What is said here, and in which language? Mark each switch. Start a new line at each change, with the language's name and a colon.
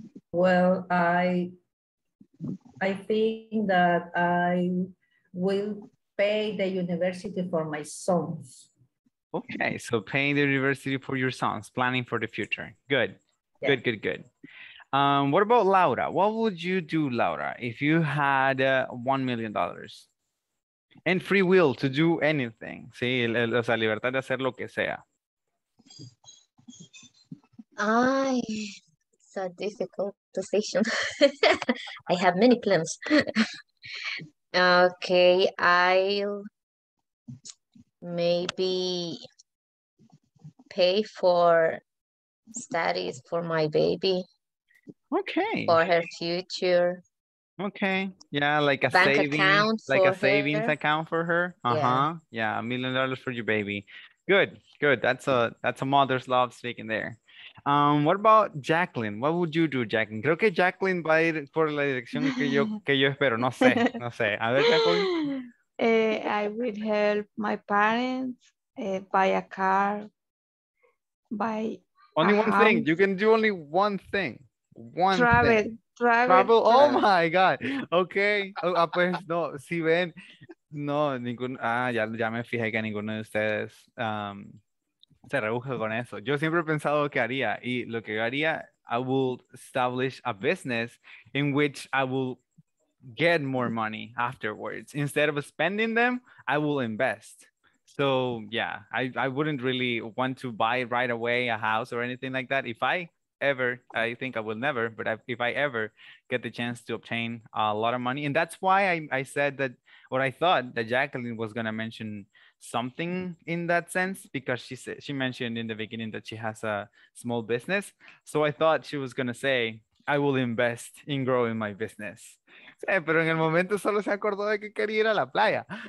English: Well, I think that I will pay the university for my sons. Okay, so paying the university for your sons, planning for the future. Good. Yeah. Good, good, good. What about Laura? What would you do, Laura, if you had $1 million and free will to do anything?
Spanish: Sí, o sea, libertad de hacer lo que sea.
English: Ay, it's a difficult position. I have many plans. Okay, I'll maybe pay for studies for my baby. Okay. For her future. Okay. Yeah, like a savings account for her. Uh-huh. Yeah, $1 million for your baby. Good. Good. That's a mother's love speaking there. What about Jacqueline? What would you do, Jacqueline?
Spanish: Creo que Jacqueline va a ir por la dirección que yo espero. No sé. No sé. A ver, Jacqueline.
English: I would help my parents buy a car. Only one thing. You can do only one thing. One travel, thing. Travel. Travel. Oh, my God. Okay.
Spanish: pues, no, si ven. No, ningún. Ah, ya me fijé que ninguno de ustedes se rebuja con eso. Yo siempre he pensado que haría. Y lo que yo haría,
English: I will establish a business in which I will get more money afterwards. Instead of spending them, I will invest. So, yeah, I wouldn't really want to buy right away a house or anything like that. If I ever, I think I will never, but if I ever get the chance to obtain a lot of money. And that's why I said that, or I thought that Jacqueline was going to mention something in that sense, because she mentioned in the beginning that she has a small business. So I thought she was going to say, I will invest in growing my business.
Spanish: Sí, pero en el momento solo se acordó de que quería ir a la playa.